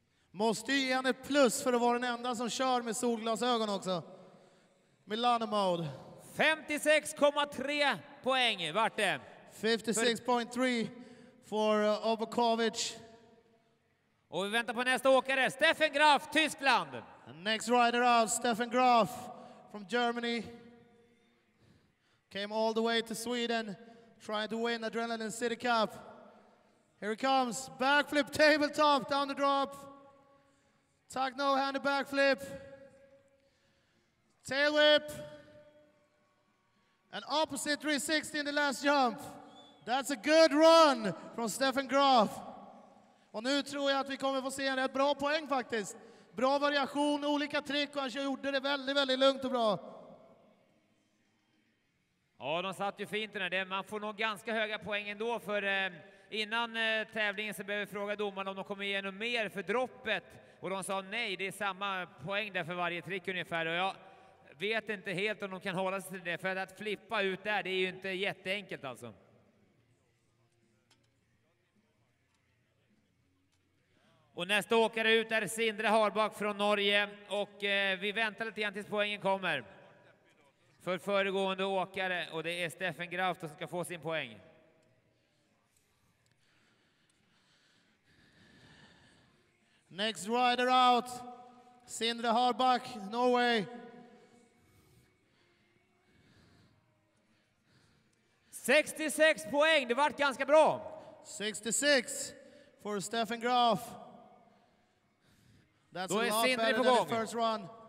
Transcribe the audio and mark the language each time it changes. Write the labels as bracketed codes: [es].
[sv] Måste ju ge han ett plus för att vara den enda som kör med solglasögon också. Milano mode. 56,3 poäng vart det. 56,3 för Obukovic. Och vi väntar på nästa åkare, Steffen Graf, Tyskland. [en] And next rider out, Steffen Graf from Germany. Came all the way to Sweden trying to win Adrenaline City Cup. Here he comes, backflip tabletop down the drop. Tuck no hand backflip. Tail whip. An opposite 360 in the last jump. That's a good run from Steffen Graf. [sv] Och nu tror jag att vi kommer få se en rätt bra poäng faktiskt. Bra variation, olika trick, och han gjorde det väldigt, väldigt lugnt och bra. Ja, de satt ju fint den här. Man får nog ganska höga poäng ändå, för innan tävlingen så behöver vi fråga domarna om de kommer igenom mer för droppet. Och de sa nej, det är samma poäng där för varje trick ungefär. Och jag vet inte helt om de kan hålla sig till det, för att flippa ut där, det är ju inte jätteenkelt alltså. Och nästa åkare ut är Sindre Harbak från Norge, och vi väntar lite grann tills poängen kommer för föregående åkare, och det är Steffen Graf som ska få sin poäng. [en] Next rider out, Sindre Harbak, Norway. [sv] 66 poäng, det vart ganska bra. 66 för Steffen Graf. [en] That's [sv] då är Sindre på gång. [en] First run.